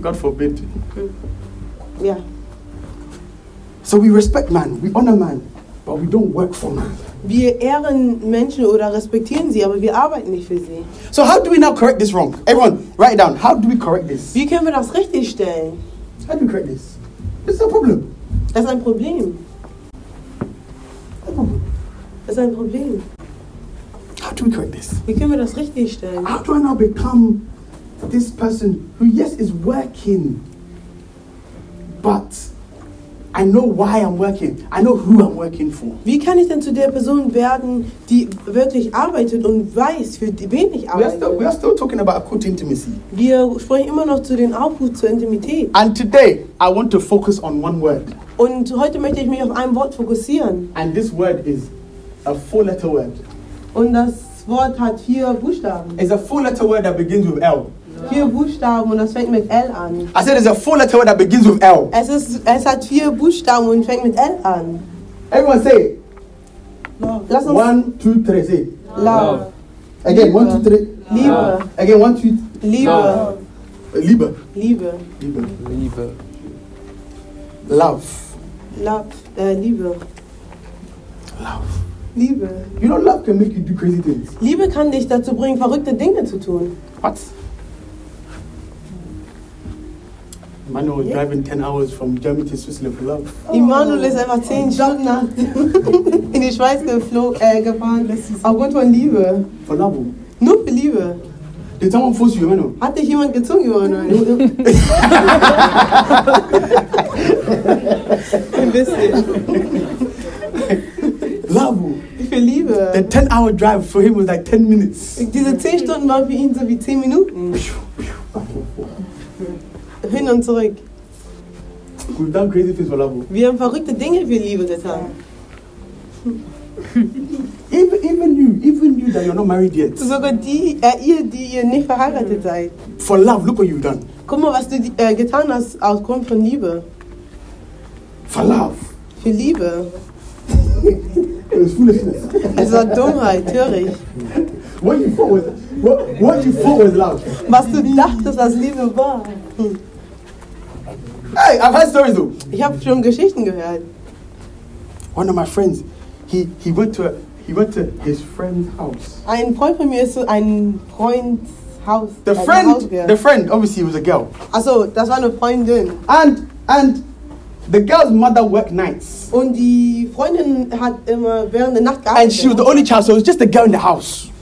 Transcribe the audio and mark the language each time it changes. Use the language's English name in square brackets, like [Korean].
[English] God forbid. Yeah. So we respect man, we honor man, but we don't work for man. [German] Wir ehren Menschen oder respektieren sie, aber wir arbeiten nicht für sie. [English] So how do we now correct this wrong? Everyone, write it down. How do we correct this? [German] Wie können wir das richtig stellen? [English] How do we correct this? This is a problem. [German] Das ist ein Problem. Das ist ein Problem. [English] How do we correct this? [German] Wie können wir das richtig stellen? [English] How do I now become this person who, yes, is working, but I know why I'm working. I know who I'm working for. [German] Wie kann ich denn zu der Person werden, die wirklich arbeitet und weiß, für wen ich arbeite? [English] We are still talking about acute intimacy. [German] Wir sprechen immer noch zu den Aufruf zur Intimität. [English] And today I want to focus on one word. [German] Und heute möchte ich mich auf ein Wort fokussieren. [English] And this word is a four-letter word. [German] Und das Wort hat vier Buchstaben. [English] It's a four-letter word that begins with L. [German] Vier Buchstaben und das fängt mit L an. [English] I said it's a four-letter word that begins with L. [German] Es hat vier Buchstaben und fängt mit L an. [English] Everyone say it. Love. [German] Lass uns [English] 1, 2, 3, say it. Love. Again, 1, 2, 3. [German] Liebe. [English] Again, 1, 2. [German] Liebe. Liebe. Liebe. Liebe. Liebe. [English] Love. Love. [German] Liebe. [English] Love. [German] Liebe. [English] You know, love can make you do crazy things. [German] Liebe kann dich dazu bringen, verrückte Dinge zu tun. [English] What? Emmanuel is driving 10 hours from Germany to Switzerland for love. [German] Emmanuel ist einfach 10 Stunden in die Schweiz gefahren. Aufgrund von Liebe. [English] For love. [German] Nur für Liebe. [English] Did someone force you, Emmanuel? [German] Hat dich jemand gezwungen, Emmanuel? Ein bisschen. [English] Love. [German] Für Liebe. [English] The 10-hour drive for him was like 10 minutes. [German] Diese 10 Stunden waren für ihn so wie 10 Minuten. Hin und zurück. [English] We've done crazy things for love. [German] Wir haben verrückte Dinge für Liebe getan. [English] Even you that you're not married yet. [German] Sogar die ihr nicht verheiratet seid. [English] For love, look what you've done. [German] Guck mal, was du getan hast aufgrund von Liebe. [English] For love. [German] Für Liebe. [English] It's foolishness. [German] Es war Dummheit, töricht. [English] What you thought was love? [German] Was du dachtest, was Liebe war. [English] Hey, I've heard stories though. [German] Ich habe schon Geschichten gehört. [English] One of my friends, he went to his friend's house. [German] Ein Freund von mir ist zu einem Freund's Haus. [English] The friend, obviously it was a girl. [German] Also, das war eine Freundin. [English] And the girl's mother worked nights. [German] Und die Freundin hat immer während der Nacht gearbeitet. [English] And she was the only child, so it was just the girl in the house.